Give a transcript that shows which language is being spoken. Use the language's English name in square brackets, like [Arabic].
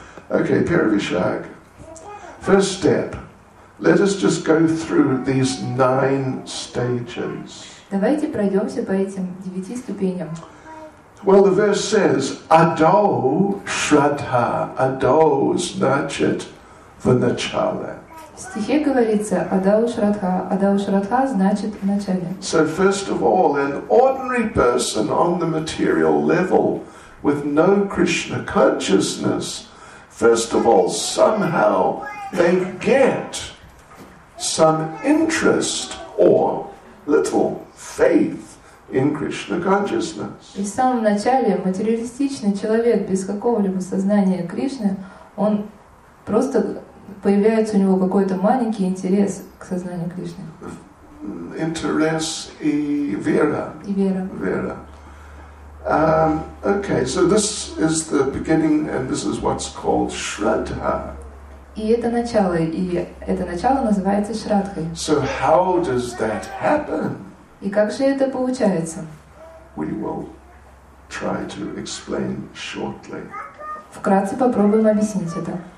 [English] Okay, Paravishag. First step. Let us just go through these 9 stages. [Russian] Давайте пройдемся по этим 9 ступеням. [English] Well, the verse says, Ado Shraddha. [Russian] Ado значит в начале. В стихе говорится, Адау Шрадха. Адау Шрадха значит в начале. [English] So, first of all, an ordinary person on the material level with no Krishna consciousness, first of all, somehow they get some interest or little faith in Krishna consciousness. [Russian] И в самом начале материалистичный человек без какого-либо сознания Кришны, он просто появляется у него какой-то маленький интерес к сознанию Кришны. Интерес и вера. И вера. Вера. [English] Okay, so this is the beginning, and this is what's called Shraddha. [Russian] И это начало, называется Шраддхой. [English] So how does that happen? [Russian] И как же это получается? [English] We will try to explain shortly. [Russian] Вкратце попробуем объяснить это.